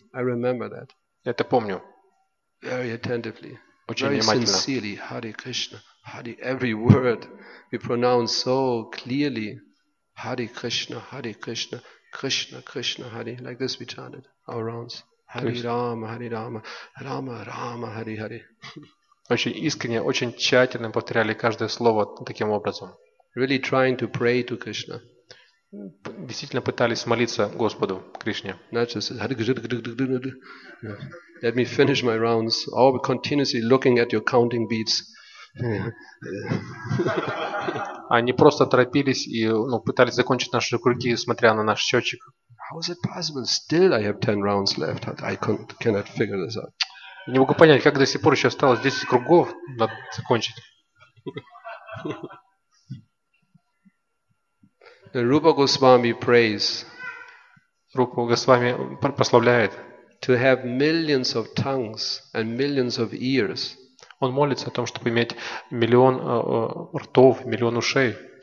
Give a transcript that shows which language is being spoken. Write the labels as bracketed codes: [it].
[en] I remember that. [ru] Это помню. [en] Very attentively. [ru] Очень [en] very [ru] внимательно. [en] Very sincerely, Hare Krishna, Hare, every word we pronounce so clearly, Hare Krishna, Hare Krishna, Krishna, Krishna, Hare, like this we chanted our rounds. Hare Rama, Hare Rama, Rama Rama, Hare Hare. [ru] Очень искренне, очень тщательно повторяли каждое слово таким образом. [en] Really trying to pray to Krishna. [ru] Действительно пытались молиться Господу Кришне. [en] Not just Hare Krishna. Let me finish my rounds. All continuously looking at your counting beats. [ru] Они просто торопились и, ну, пытались закончить наши круги, смотря на наш счетчик. [en] How is it possible? Still, I have 10 rounds left. I cannot figure this out. [ru] Не могу понять, как до сих пор еще осталось 10 кругов, надо закончить. [en] Rupa Goswami prays. [ru] Rupa Goswami прославляет. [en] To have millions of tongues and millions of ears. [ru] Он молится о том, чтобы иметь миллион ртов, миллион ушей.